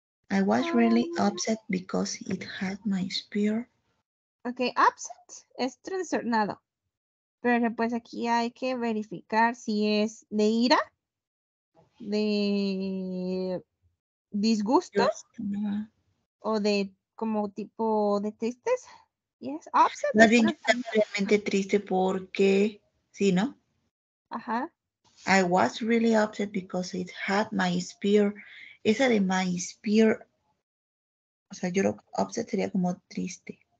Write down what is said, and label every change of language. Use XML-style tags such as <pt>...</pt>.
<en>I was really upset because it hurt my spirit.</en> <es>Okay, upset es trastornado. Pero pues aquí hay que verificar si es de ira, de disgusto, o de como tipo de tristeza.</es> <en>Yes, upset.</en> <es>Más bien, yo estaba realmente triste porque, sí, ¿no? Ajá.</es> <en>I was really upset because it hurt my spirit.</en> <es>Esa de</es> <en>my spirit,</en> <es>o sea, yo lo upset sería como triste.</es>